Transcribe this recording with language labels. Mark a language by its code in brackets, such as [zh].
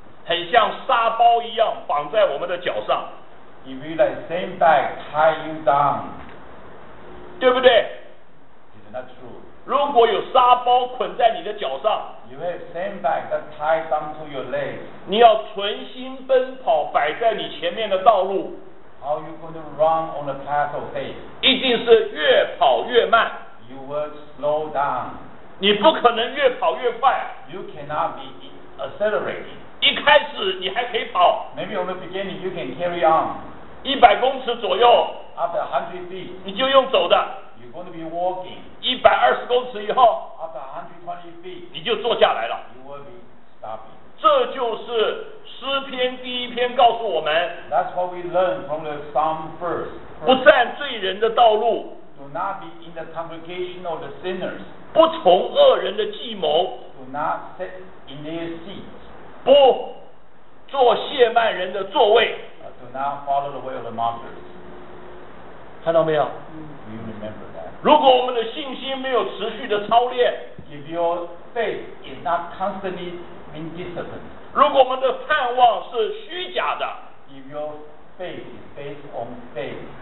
[zh] 很像沙包一样绑在我们的脚上， [en] if you let sin bag tie you down， [zh] 对不对？ [en] Is that true？ [zh] 如果有沙包捆在你的脚上， [en] you have sin bag that tied down to your legs， [zh] 你要存心奔跑摆在你前面的道路。 [en] How are you going to run on the path of faith? [zh] 一定是越跑越慢。 [en] You will slow down. [zh] 你不可能越跑越快。 [en] You cannot be accelerating. [zh] 一开始你还可以跑。 [en] Maybe on the beginning you can carry on. [zh] 100公尺左右。 [en] After 100 feet. [zh] 你就用走的。 [en] You're going to be walking. [zh] 120公尺以后。 [en] After 120 feet. [zh] 你就坐下来了。 [en] You will be stopping. [zh] 这就是诗篇第一篇告诉我们， [en] That's what we learn from the Psalm first. [zh] 不占罪人的道路， [en] Do not be in the congregation of the sinners. [zh] 不从恶人的计谋， [en] Do not sit in their seats. [zh] 不坐亵慢人的座位， [en] Do not follow the way of the mockers. [zh] 看到没有？ [en] Do you remember that? [zh] 如果我们的信心没有持续的操练， [en] If your faith is not constantly being disciplined. [zh] 如果我们的盼望是虚假的， [en] If your faith is based on faith,